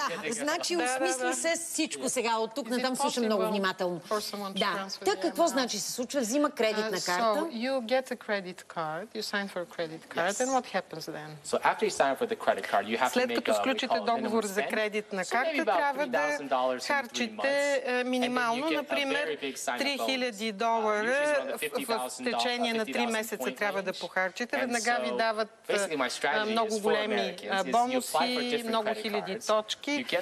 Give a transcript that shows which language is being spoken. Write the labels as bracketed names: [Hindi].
[Bulgarian] Значи осмисли се всичко сега. От тук натам слушам много внимателно. Да. Так, какво значи се случва? Взима кредитна карта. [English] You get a credit card, you sign for a credit card, and what happens then? So after you sign for the credit card, you have to make a, [Bulgarian] след като сключите договор за кредитна карта, трябва да харчите минимално, например, $3,000 в течение на 3 месеца трябва да похарчите. Веднага ви дават много големи бонуси, много хиляди точки.